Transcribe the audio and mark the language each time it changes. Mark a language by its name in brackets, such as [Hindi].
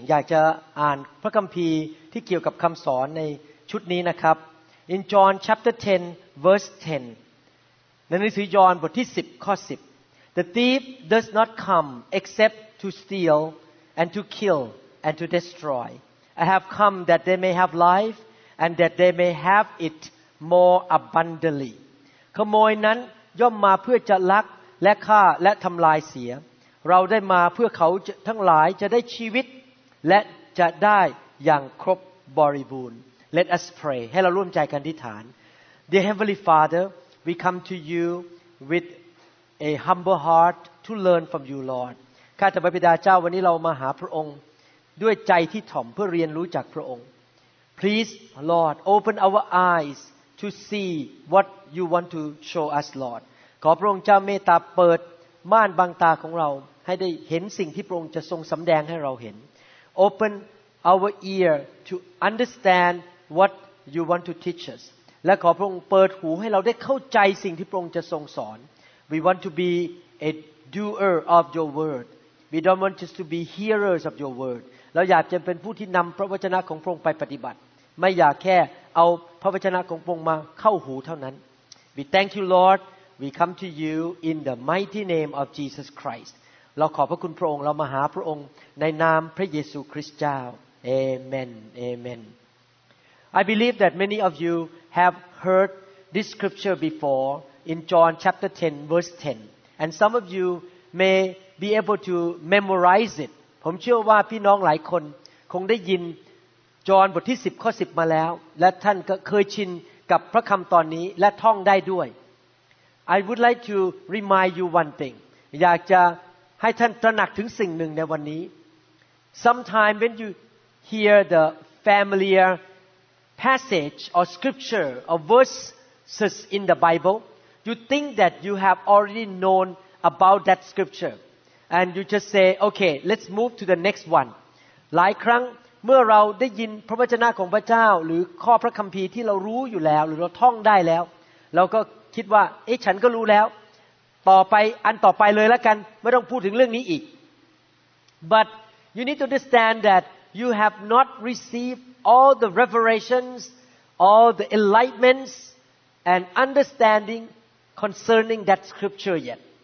[Thai] อยากจะอ่านพระคัมภีร์ที่เกี่ยวกับคำสอนในชุดนี้นะครับ [English] In John chapter 10 verse 10 [Thai] ในหนังสือยอห์นบทที่10ข้อ10 [English] The thief does not come except to steal and to kill and to destroy. I have come that they may have life and that they may have it more abundantly. [Thai] ขโมยนั้นย่อมมาเพื่อจะลักและฆ่าและทำลายเสียเราได้มาเพื่อเขาทั้งหลายจะได้ชีวิตและจะได้อย่างครบบริบูรณ์ [English] Let us pray. [Thai] ให้เราร่วมใจกันอธิษฐาน [English] Dear Heavenly Father, we come to you with a humble heart to learn from you, Lord. [Thai] ข้าแต่พระบิดาเจ้าวันนี้เรามาหาพระองค์ด้วยใจที่ถ่อมเพื่อเรียนรู้จากพระองค์ [English] Please, Lord, open our eyes to see what you want to show us, Lord. [Thai] ขอพระองค์เจ้าเมตตาเปิดม่านบังตาของเราให้ได้เห็นสิ่งที่พระองค์จะทรงสำแดงให้เราเห็น [English] OpenOur ear to understand what you want to teach us. [Thai] และขอพระองค์เปิดหูให้เราได้เข้าใจสิ่งที่พระองค์จะทรงสอน [English] We want to be a doer of your word. We don't want just to be hearers of your word. [Thai] เราอยากจะเป็นผู้ที่นำพระวจนะของพระองค์ไปปฏิบัติไม่อยากแค่เอาพระวจนะของพระองค์มาเข้าหูเท่านั้น [English] We thank you, Lord. We come to you in the mighty name of Jesus Christ. [Thai] เราขอบพระคุณพระองค์เรามาหาพระองค์ในนามพระเยซูคริสต์เจ้าAmen. [English] Amen. I believe that many of you have heard this scripture before in John chapter 10, verse 10. And some of you may be able to memorize it. [Thai] ผมเชื่อว่าพี่น้องหลายคนคงได้ยินจอห์นบทที่10ข้อ10มาแล้วและท่านก็เคยชินกับพระคำตอนนี้และท่องได้ด้วย [English] I would like to remind you one thing. [Thai] อยากจะให้ท่านตระหนักถึงสิ่งหนึ่งในวันนี้ [English] Sometime when youhear the familiar passage or scripture or verses in the Bible, you think that you have already known about that scripture. And you just say, okay, let's move to the next one. [Thai] หลายครั้งเมื่อเราได้ยินพระวจนะของพระเจ้าหรือข้อพระคัมภีร์ที่เรารู้อยู่แล้วหรือเราท่องได้แล้วเราก็คิดว่าเอ๊ะฉันก็รู้แล้วต่อไปอันต่อไปเลยแล้วกันไม่ต้องพูดถึงเรื่องนี้อีก [English] But you need to understand thatYou have not received all the revelations, all the enlightenments, and understanding concerning that scripture yet.